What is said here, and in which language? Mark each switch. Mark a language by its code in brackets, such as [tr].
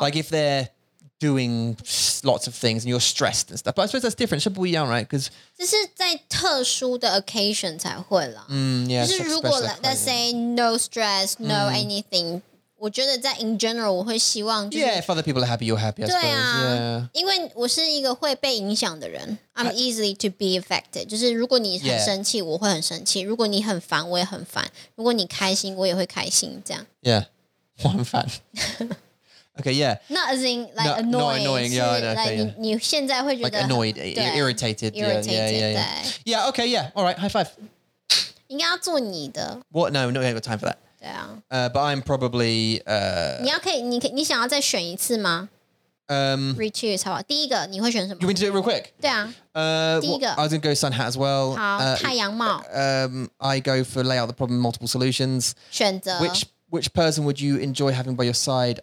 [en] Like if they're doing lots of things and you're stressed and stuff. But I suppose that's different. [zh] 是不一样, [en] right? Because [zh] 这是在特殊的 occasion 才会啦。 [en] Yeah. [zh] 就是如果 [en] let's say no stress, no anything, [zh] 我觉得在 [en] in general [zh] 我会希望就是, [en] yeah, if other people are happy, you're happy, I suppose. [zh] 对啊, [en] yeah. [zh] 因为我是一个会被影响的人。 [en] I'm easily to be affected. [zh] 就是如果你很生气, yeah. 我会很生气。如果你很烦, 我也很烦。如果你开心, 我也会开心, 这样。 [en] Yeah, [zh] 我很烦。 [en] Okay, yeah. Not as in like no, annoyed. Not annoying, yeah, I know. Okay, like, yeah. [zh] 你现在会觉得, [en] like annoyed, irritated. Irritated, yeah, yeah, yeah. Yeah, okay, yeah. All right, high five. [zh] 应该要做你的。 [en] What? No, no, we haven't got time for that. [zh] 对啊。 [en] But I'm probably... [zh] 你要可以, 你想要再选一次吗? [en] Re-choose, [zh] 好不好?第一个你会选什么? [en] You want me to do it real quick? [zh] 对啊。第一个。 [en] I was going to go sun hat as well. [zh] 好, 太阳帽。 [en] I go for lay out the problem, multiple solutions. [zh] 选择。 [en] Which person would you enjoy having by your side?